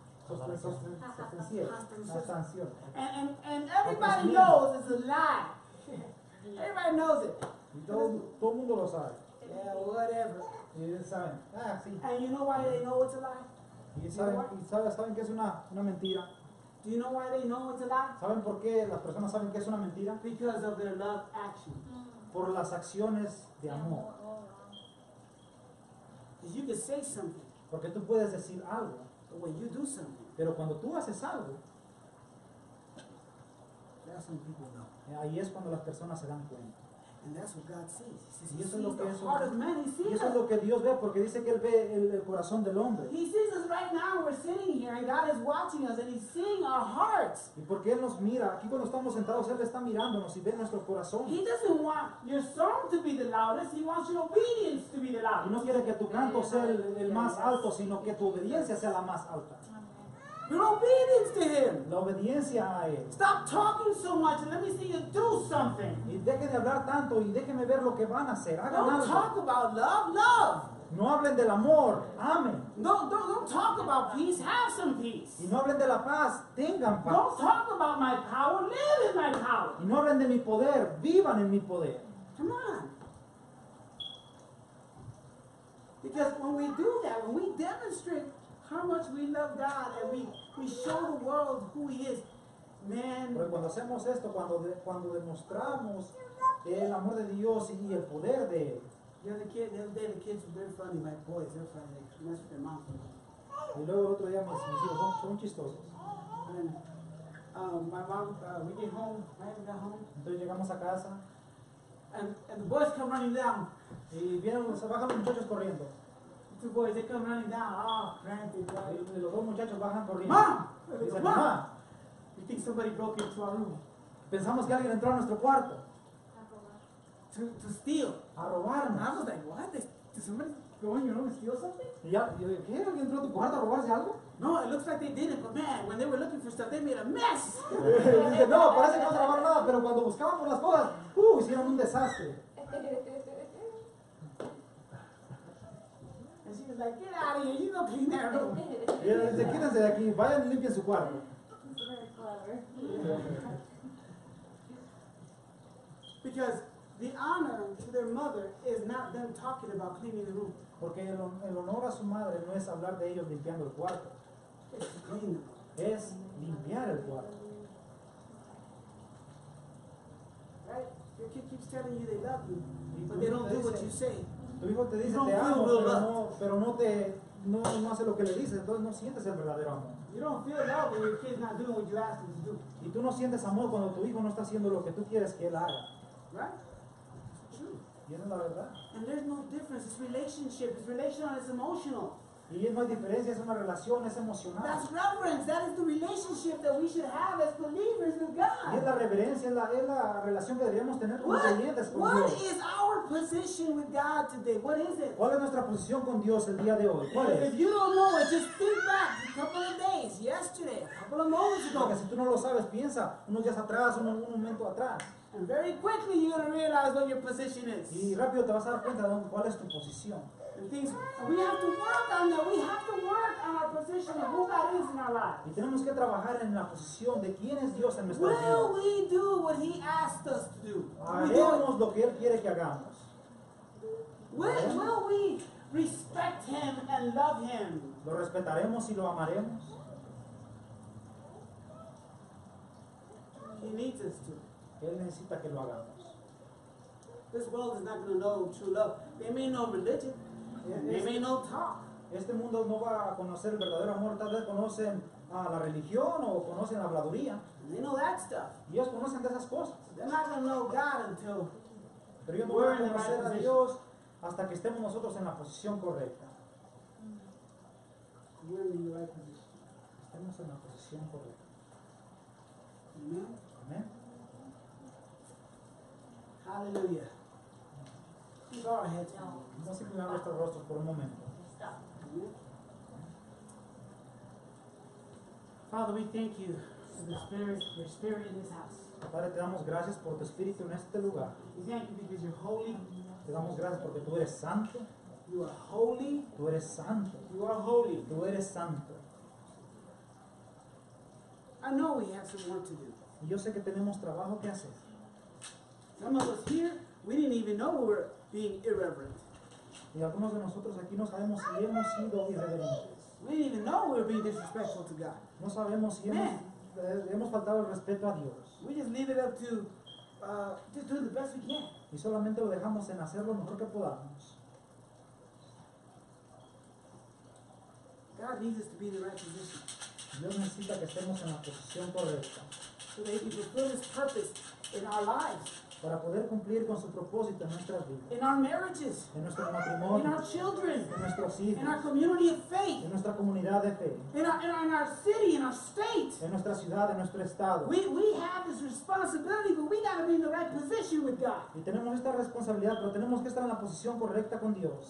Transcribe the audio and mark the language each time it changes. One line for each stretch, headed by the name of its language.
English: And everybody knows it's a lie. Everybody knows it.
Spanish: Y todo mundo lo sabe.
English: Yeah, whatever.
Spanish: Y saben, sí.
English: And you know why they know it's a lie?
Spanish: Y saben que es una mentira.
English: Do you know why they know it's a lie?
Spanish: ¿Saben por qué las personas saben que es una mentira?
English: Because of their love action.
Spanish: Por las acciones de amor.
English: Because you can say something.
Spanish: Porque tú puedes decir algo.
English: But when you do something.
Spanish: Pero cuando tú haces algo.
English: That's when people know.
Spanish: Ahí es cuando las personas se dan cuenta.
English: And that's what God sees. He sees the heart of man. He sees.
Spanish: Y eso es lo que Dios ve, porque dice que él ve el corazón del hombre.
English: He sees us right now. We're sitting here, and God is watching us, and He's seeing our hearts.
Spanish: Y porque él nos mira aquí cuando estamos sentados, él está mirándonos y ve nuestro corazón.
English: He doesn't want your song to be the loudest. He wants your obedience to be the loudest.
Spanish: Y no quiere que tu canto sea el más alto, sino que tu obediencia sea la más alta.
English: Your obedience to Him.
Spanish: La obediencia a Él.
English: Stop talking so much and let me see you do something.
Spanish: Y dejen de hablar tanto y déjenme ver lo que van a hacer. Hagan
English: don't
Spanish: algo.
English: Talk about love, love.
Spanish: No hablen del amor, amen.
English: Don't talk about peace, have some peace.
Spanish: Y no hablen de la paz, tengan paz.
English: Don't talk about my power, live in my power.
Spanish: Y no hablen de mi poder, vivan en mi poder.
English: Come on. Because when we do that, when we demonstrate how much we love God and we show the world who He is, man.
Spanish: Pero cuando hacemos esto, cuando demostramos el amor de Dios y el poder de él.
English: The other day the kids were very funny, my boys. They're funny. They mess with their mouth.
Spanish: Y luego el otro día mis hijos son chistosos.
English: And my mom, we get home. My mom got home.
Spanish: Entonces llegamos a casa.
English: And the boys come running down.
Spanish: Y vienen, se bajan los muchachos corriendo.
English: Two boys, they come running down. Oh, granted.
Spanish: Los dos muchachos bajan corriendo.
English: Mom!
Spanish: Dicen, mom!
English: We think somebody broke into our room.
Spanish: Pensamos que alguien entró a nuestro cuarto.
English: To steal.
Spanish: A robarnos.
English: I was like, what? Did somebody go in your room and steal something? Yeah.
Spanish: Yo, ¿qué? ¿Alguien entró a tu cuarto a robarse algo?
English: No, it looks like they didn't, but man, when they were looking for stuff, they made a mess.
Spanish: Dice, no, parece que no se robaron nada, pero cuando buscaban por las cosas, hicieron un desastre.
English: Like, get out of here, you go clean that room.
Spanish: Y él dice, quítense de aquí, vayan y limpien su cuarto.
English: It's very clever. Because the honor to their mother is not them talking about cleaning the room.
Spanish: Porque el honor a su madre no es hablar de ellos limpiando el cuarto.
English: It's clean.
Spanish: Es limpiar el cuarto.
English: Right? Your kid keeps telling you they love you, but they don't do what you say.
Spanish: Tu hijo te dice te amo, pero no hace lo que le dices, entonces no sientes el verdadero amor.
English: You don't feel love when your kid's not doing what you ask him to do.
Spanish: Y tú no sientes amor cuando tu hijo no está haciendo lo que tú quieres que él haga.
English: Right? True.
Spanish: Y esa es la verdad.
English: And there's no difference. It's relationship. It's relational. It's emotional.
Spanish: Y no hay diferencia. Es una relación. Es emocional.
English: That's reverence. That is the relationship that we should have as believers with God.
Spanish: Y es la reverencia. Es la relación que deberíamos tener como creyentes con Dios.
English: What is our position with God today? What is it?
Spanish: ¿Cuál es nuestra posición con Dios el día de hoy? ¿Cuál es?
English: If you don't know it, just think back a couple of days, yesterday, a couple of moments ago.
Spanish: Porque si tú no lo sabes, piensa unos días atrás, un momento atrás.
English: And very quickly you're going to realize what your position is.
Spanish: Y rápido te vas a dar cuenta de cuál es tu posición.
English: Things we have to work on, that we have to work on our position of who God is in our lives.
Spanish: Y tenemos que trabajar en la posición de quién es Dios en nuestra
English: will
Spanish: vida.
English: Will we do what He asked us to do?
Spanish: Haremos lo que Él quiere que hagamos.
English: Will we respect Him and love Him?
Spanish: Lo respetaremos y lo amaremos.
English: He needs us to.
Spanish: Él necesita que lo hagamos.
English: This world is not going to know true love. They may know religion. They may not talk.
Spanish: Este mundo no va a conocer el verdadero amor. Tal vez conocen la religión o conocen la habladuría.
English: They know that stuff.
Spanish: Y ellos conocen de esas cosas.
English: They're not going to know God until
Spanish: pero ellos no van a conocer a Dios hasta que estemos nosotros en la posición correcta.
English: We're in the right position.
Spanish: Estemos en la posición correcta. Aleluya.
English: Go ahead.
Spanish: Vamos a inclinar nuestros rostros por un momento.
English: Father, we thank you for the spirit, your spirit in this house.
Spanish: Padre, te damos gracias por tu espíritu en este lugar.
English: We thank you because you're holy.
Spanish: Te damos gracias porque tú eres santo.
English: You are holy.
Spanish: Tú eres santo.
English: You are holy.
Spanish: Tú eres santo.
English: I know we have some work to do.
Spanish: Y yo sé que tenemos trabajo que hacer.
English: Some of us here, we didn't even know we were being irreverent.
Spanish: Y algunos de nosotros aquí no sabemos si hemos sido irreverentes.
English: We didn't even know we were being disrespectful to God.
Spanish: No sabemos si hemos faltado el respeto a Dios.
English: We just leave it up to just do the best we can.
Spanish: Y solamente lo dejamos en hacer lo mejor que podamos.
English: God needs us to be in the right position.
Spanish: Dios necesita que estemos en la posición correcta.
English: So that he can fulfill his purpose in our lives.
Spanish: Para poder cumplir con su propósito en nuestras vidas.
English: In our marriages.
Spanish: En nuestro matrimonio.
English: In our children.
Spanish: En nuestros hijos.
English: In our community of faith.
Spanish: En nuestra comunidad de fe.
English: In our city, in our state.
Spanish: En nuestra ciudad, en nuestro estado.
English: We have this responsibility, but we got to be in the right position with God.
Spanish: Y tenemos esta responsabilidad, pero tenemos que estar en la posición correcta con Dios.